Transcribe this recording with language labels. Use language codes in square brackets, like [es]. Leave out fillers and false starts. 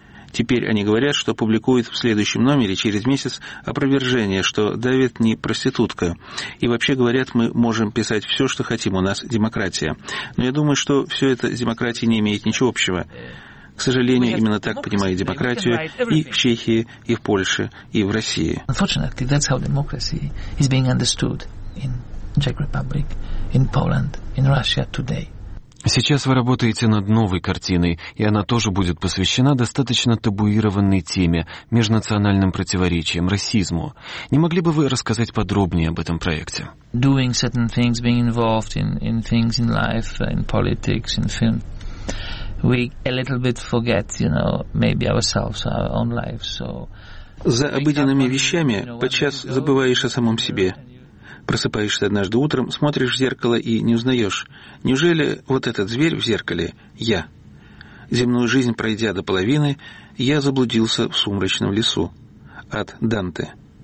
[ru] Теперь они говорят, что публикуют в следующем номере через месяц опровержение, что Давид не проститутка. И вообще говорят, мы можем писать все, что хотим, у нас демократия. Но я думаю, что все это с демократией не имеет ничего общего. К сожалению, именно так понимают демократию и в Чехии, и в Польше, и в России. [en] Unfortunately, that's how democracy is being understood in Czech Republic, in Poland, in Russia today. [ru] Сейчас вы работаете над новой картиной, и она тоже будет посвящена достаточно табуированной теме – межнациональным противоречиям, расизму. Не могли бы вы рассказать подробнее об этом проекте? [en] Doing certain things, being involved in things in life, in politics, in film, we a little bit forget, you know, maybe ourselves, our own lives. So [ru] за обыденными вещами подчас забываешь о самом себе. Просыпаешься однажды утром, смотришь в зеркало и не узнаешь. Неужели вот этот зверь в зеркале — я? Земную жизнь пройдя до половины, я заблудился в сумрачном лесу. От Данте.